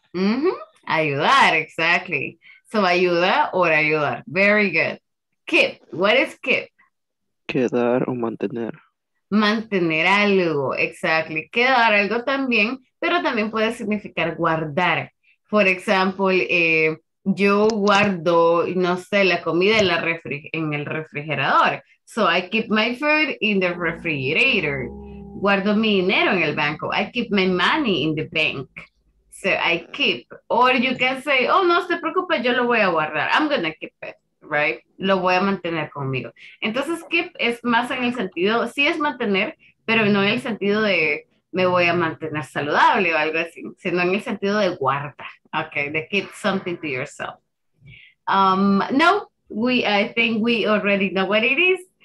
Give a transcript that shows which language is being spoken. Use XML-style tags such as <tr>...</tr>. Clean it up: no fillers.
<en>Mm-hmm. Ayudar, exactly. So ayuda or ayudar, very good. Keep. What is keep?</en> <es>Quedar o mantener. Mantener algo.</es> <en>Exactly.</en> <es>Quedar algo también, pero también puede significar guardar.</es> <en>For example,</en> <es>yo guardo, no sé, la comida en, en el refrigerador.</es> <en>So I keep my food in the refrigerator.</en> <es>Guardo mi dinero en el banco.</es> <en>I keep my money in the bank. So I keep. Or you can say, oh,</en> <es>no se preocupe, yo lo voy a guardar.</es> <en>I'm going to keep it, right?</en> <es>Lo voy a mantener conmigo. Entonces, keep es más en el sentido, sí es mantener, pero no en el sentido de me voy a mantener saludable o algo así, sino en el sentido de guarda.</es> <en>Okay, de keep something to yourself. No, I think we already know what it is.</en>